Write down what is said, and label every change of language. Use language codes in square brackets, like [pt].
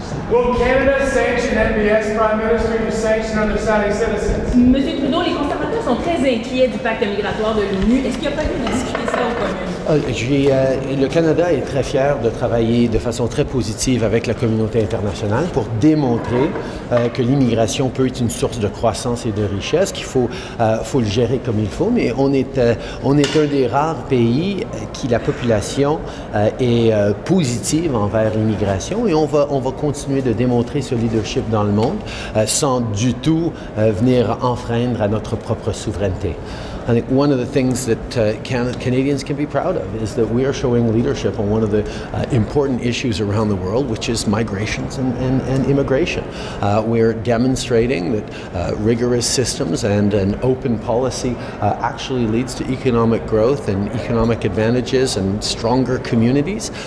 [en] Will Canada sanction NBS Prime Minister to sanction other Saudi citizens? [fr] Monsieur Trudeau, les conservateurs sont très inquiets du pacte migratoire de l'ONU. Est-ce qu'il n'y a pas eu de discuter ça au commun? Le Canada est très fier de travailler de façon très positive avec la communauté internationale pour démontrer que l'immigration peut être une source de croissance et de richesse, qu'il faut le gérer comme il faut. Mais on est un des rares pays qui la population est positive envers l'immigration, et on va continuer de démontrer ce leadership dans le monde sans du tout venir enfreindre à notre propre souveraineté. [en] I think one of the things that Canadians can be proud of is that we are showing leadership on one of the important issues around the world, which is migrations and immigration. We're demonstrating that rigorous systems and an open policy actually leads to economic growth and economic advantages and stronger communities.